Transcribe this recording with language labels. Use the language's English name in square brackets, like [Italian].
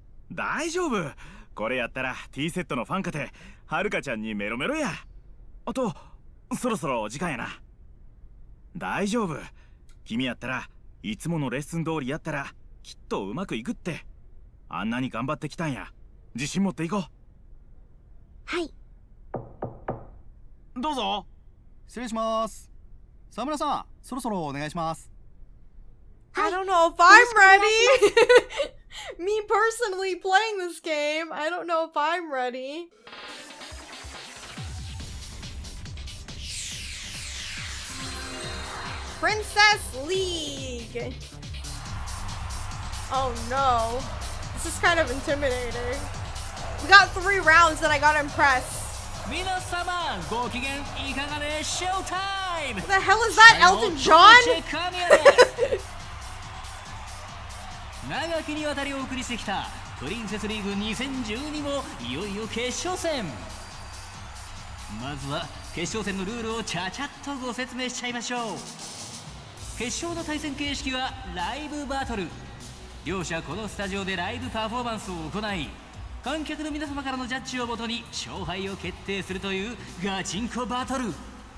[Japanese] 大丈夫これやったらティーセットのファンかてはるかちゃんにメロメロやあとそろそろ時間やな大丈夫君やったらいつものレッスン通りやったらきっとうまくいくってあんなに頑張ってきたんや自信持っていこうはいどうぞ失礼します沢村さんそろそろお願いします [English] I don't know if I'm ready! Me personally playing this game, I don't know if I'm ready. Princess League! Oh no. This is kind of intimidating. We got three rounds and I got impressed. [Japanese] 皆様ご機嫌いかがでしょうか。 [English] What the hell is that, Elton John? [Japanese] 長きにわたりお送りしてきたプリンセスリーグ2012もいよいよ決勝戦。まずは決勝戦のルールをちゃちゃっとご説明しちゃいましょう。決勝の対戦形式はライブバトル。両者このスタジオでライブパフォーマンスを行い、観客の皆様からのジャッジをもとに勝敗を決定するというガチンコバトル。